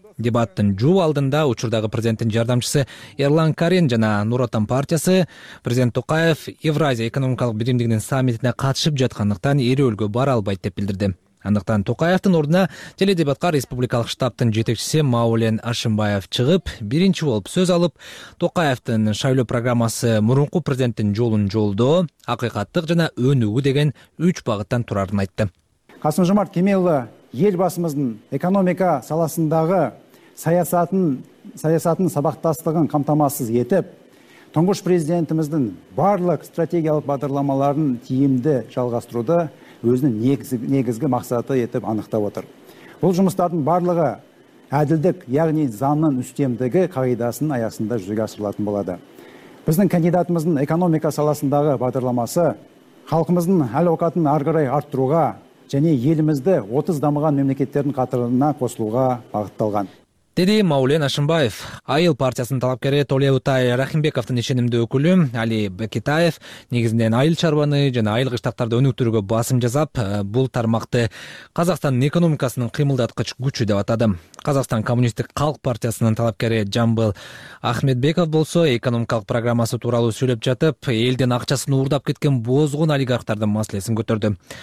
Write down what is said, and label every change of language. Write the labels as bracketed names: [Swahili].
[Kyrgyz] Дебаттын жуу алдында учурдагы президенттин жардамчысы Эрлан Карин жана Нур Отан партиясы президент Токаев Евразия экономикалык биримдигинин саммитине катышып жаткандыктан эри өлгө бара албайт деп билдирди. Андыктан Токаевдин ордуна теледебатка республикалык штабтын жетекчиси Маулен Ашымбаев чыгып, биринчи болуп сөз алып, Токаевдин шайлоо программасы мурунку президенттин жолун жолдоо, акыйкаттык жана өнүгүү деген 3 багыттан турарын айтты. [Kazakh] Касым Жомарт Кемелұлы елбасымыздын экономика саласындагы саясатын сабактастыгын камтамасыз этип, туңгуш президентибиздин бардык стратегиялык бағдарламаларын тиімді жалғастыруды өзінің негізгі мақсаты етіп анықтап отыр. Бұл жұмыстардың барлығы әділдік, яғни заңның үстемдігі қағидасының аясында жүзеге асырылатын болады. Біздің кандидатымыздың экономика саласындағы бағдарламасы халқымыздың әл-ауқатын ары қарай арттыруға және елімізді 30 дамыған мемлекеттердің қатарына қосылуға бағытталған. [Kyrgyz] Деди Маулен Ашымбаев. Айыл партиясынын талапкери Толе Утай Рахимбековдун ишенимдүү өкүлү Али Бекетаев негизинен айыл чарбаны жана айыл кыштактарды өнүктүрүүгө басым жасап, бул тармакты Казакстандын экономикасынын кыймылдаткыч күчү деп атады. Казакстан коммунисттик калк партиясынын талапкери Жамбыл Ахметбеков болсо, экономикалык программасы тууралуу сүйлөп жатып, элдин акчасын уурдап кеткен бозгун олигархтардын маселесин көтөрдү.